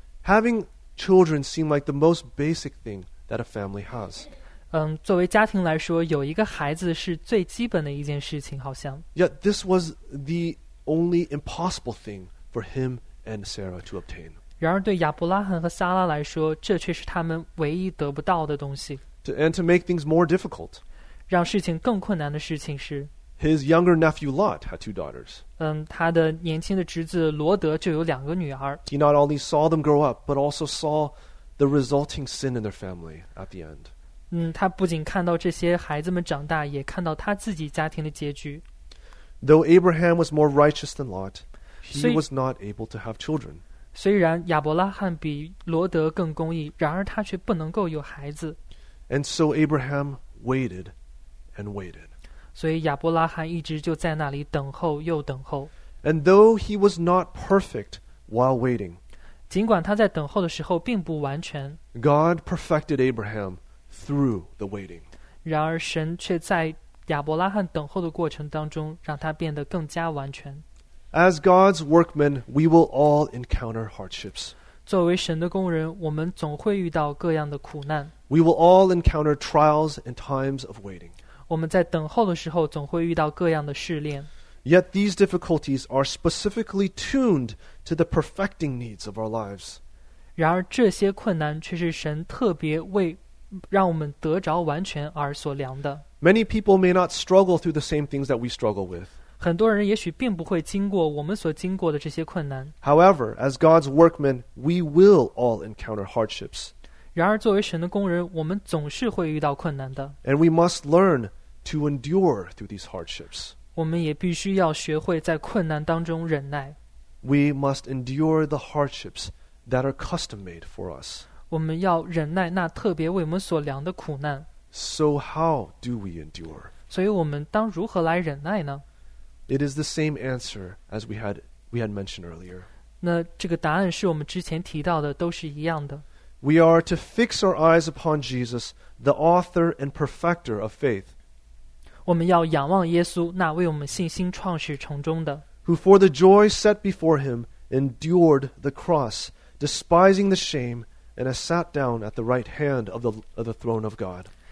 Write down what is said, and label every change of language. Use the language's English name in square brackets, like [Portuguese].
[English] Having children seemed like the most basic thing that a family has. [Chinese] 作为家庭来说，有一个孩子是最基本的一件事情，好像。 [English] Yet this was the only impossible thing for him and Sarah to obtain. [Chinese] 然而对亚伯拉罕和撒拉来说，这却是他们唯一得不到的东西。 [English] And to make things more difficult. [Chinese] 让事情更困难的事情是。 [English] His younger nephew Lot had two daughters. [Chinese] 他的年轻的侄子罗德就有两个女儿。 [English] He not only saw them grow up, but also saw the resulting sin in their family at the end. [Chinese] 他不仅看到这些孩子们长大，也看到他自己家庭的结局。 [English] Though Abraham was more righteous than Lot, he was not able to have children. [Chinese] 虽然亚伯拉罕比罗德更公义，然而他却不能够有孩子。 [English] And so Abraham waited and waited. [Chinese] 所以亚伯拉罕一直就在那里等候又等候。 [English] And though he was not perfect while waiting, [Chinese] 尽管他在等候的时候并不完全。 [English] God perfected Abraham. Through the waiting. [Chinese] 然而神却在亚伯拉罕等候的过程当中让他变得更加完全。 [English] As God's workmen, we will all encounter hardships. [Chinese] 作为神的工人，我们总会遇到各样的苦难。 [English] We will all encounter trials and times of waiting. [Chinese] 我们在等候的时候总会遇到各样的试炼。 [English] Yet these difficulties are specifically tuned to the perfecting needs of our lives. [Chinese] 然而这些困难却是神特别为让我们得着完全而所量的。 [English] Many people may not struggle through the same things that we struggle with. [Chinese] 很多人也许并不会经过我们所经过的这些困难。 [English] However, as God's workmen, we will all encounter hardships. [Chinese] 然而作为神的工人，我们总是会遇到困难的。 [English] And we must learn to endure through these hardships. [Chinese] 我们也必须要学会在困难当中忍耐。 [English] We must endure the hardships that are custom made for us. [Chinese] 我们要忍耐那特别为我们所量的苦难。 [English] So how do we endure? [Chinese] 所以我们当如何来忍耐呢？ [English] It is the same answer as we had mentioned earlier. [Chinese] 那这个答案是我们之前提到的都是一样的。 [English] We are to fix our eyes upon Jesus, the author and perfecter of faith. [Chinese] 我们要仰望耶稣，那为我们信心创始成终的。 [English] Who for the joy set before him endured the cross, despising the shame,and has sat down at the right hand of the throne of God.